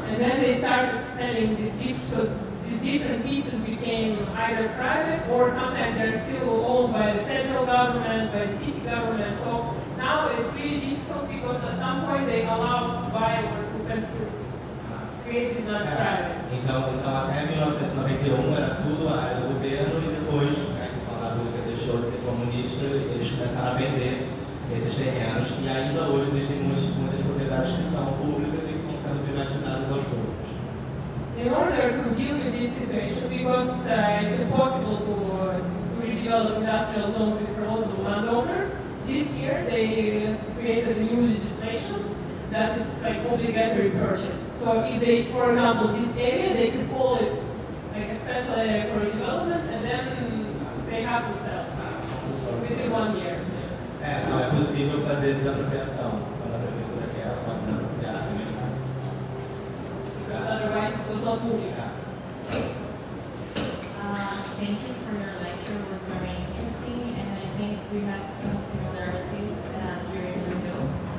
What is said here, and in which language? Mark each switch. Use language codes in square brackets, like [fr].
[en] and then they started selling this gift, so these different pieces became either private or sometimes they're still owned by the federal government, by the city government. So now it's really difficult because at some point they allow to buy or to create these on private. [pt] Então até 1991 era tudo a área do governo e depois, quando a Rússia deixou de ser comunista, eles começaram a vender esses terrenos e ainda hoje existem muitas propriedades que são públicas e que estão sendo privatizadas aos poucos. [en] In order to deal with this situation, because it's impossible to redevelop industrial zones for all the landowners, this year they created a new legislation that is like obligatory purchase. So if they, for example, this area, they could call it like a special area for development and then they have to sell within 1 year. [pt] Não é possível fazer desapropriação quando a prefeitura quer, ela pode desapropriar também. [en] Because otherwise it was not moving. Thank you for your lecture, it was very interesting, and I think we have some similarities here in Brazil.